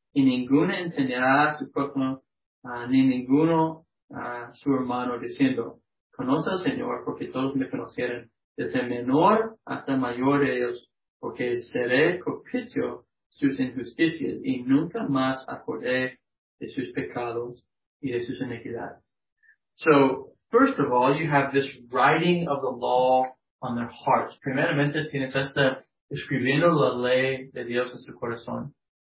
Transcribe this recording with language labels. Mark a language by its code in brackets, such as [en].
[es] Y ninguno enseñará a su pueblo, ni ninguno a su hermano, diciendo, conoce al Señor, porque todos me conocieron, desde menor hasta mayor de ellos. Porque seré propicio sus injusticias y nunca más acordé de sus pecados y de sus iniquidades." [en] So, first of all, you have this writing of the law on their hearts. [es] Primeramente tienes esta escribiendo la ley de Dios en su corazón.